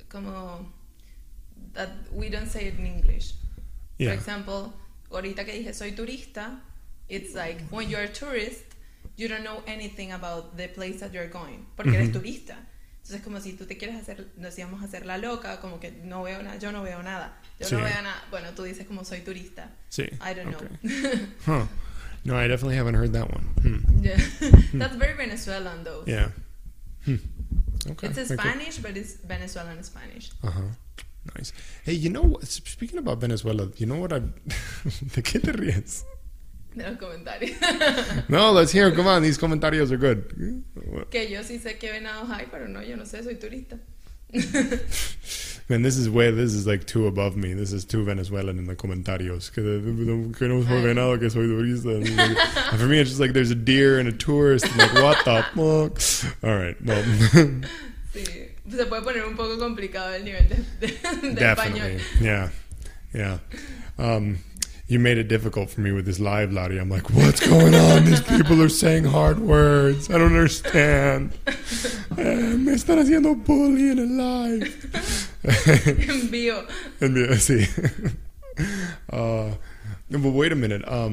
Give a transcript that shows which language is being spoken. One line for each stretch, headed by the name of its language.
Spanish: Como
English: that we don't say it in English. Yeah. For example,
Spanish: ahorita que dije soy turista,
English: it's like when you're a tourist, you don't know anything about the place that you're going,
Spanish: porque eres turista. Entonces, como si tú te quieres hacer, decíamos hacer la loca, como que no veo nada, yo no veo nada. Bueno, tú dices como soy turista. Sí.
English: I don't know. No, I definitely haven't heard that one. Yeah. That's very Venezuelan, though. Yeah. Okay. It's Spanish, but it's Venezuelan Spanish. Nice. Hey, you know, speaking about Venezuela, you know what I'm...
Spanish: ¿De qué te ríes? De los comentarios.
English: No, let's hear. Come on, these comentarios are good.
Spanish: Que yo sí sé qué venados hay, pero no, yo no sé, soy turista.
English: Man, this is like too above me. This is too Venezuelan in the comentarios.
Spanish: Que no soy venado, que soy turista.
English: And for me, it's just like there's a deer and a tourist. I'm like, what the fuck? All right, well.
Spanish: Sí, se puede poner un poco complicado el nivel de español.
English: Yeah. You made it difficult for me with this live, Lottie. I'm like, what's going on? These people are saying hard words. I don't understand.
Spanish: Me están haciendo bully
English: in a live.
Spanish: En vivo.
English: Sí. But wait a minute.